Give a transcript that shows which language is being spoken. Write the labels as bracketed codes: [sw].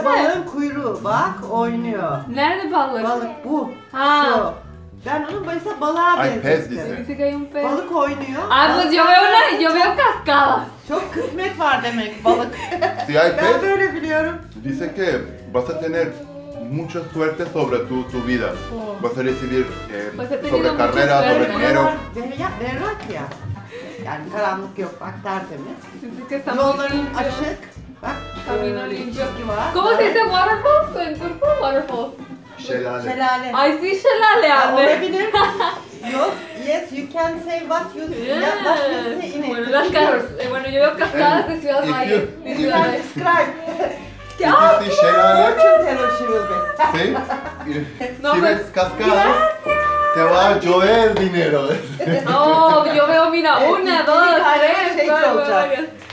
[tr] Bu da balığın kuyruğu. Bak, oynuyor. Nerede balık? Balık bu. Ha. Şu. Ben onu mesela balığa benzettim. Balık oynuyor. [es] Abla, yo veo cascadas. [tr] Çok kısmet var demek balık. Ben böyle biliyorum. [es] Dice que vas a tener mucha suerte sobre tu vida. Vas a recibir sobre carrera, sobre dinero. [tr] Berrak ya. Yani karanlık yok, bak tertemiz. Yolların açık. Bak, [es] camino limpio. ¿Cómo se dice waterfall? ¿En turco waterfall? [tr] Şelale. [es] Ay, sí, şelale anne. [tr] Olabilir. Yok, [en] yes, you can say what you see. Yes. [es] Bueno, yo veo cascadas de Ciudad Valle. You can describe. ¿Qué hago? ¿Qué hago? ¿Qué hago? ¿Sí? Si ves cascadas, te va a llover dinero. No, yo veo, mira, una, dos, tres, cuatro, varias.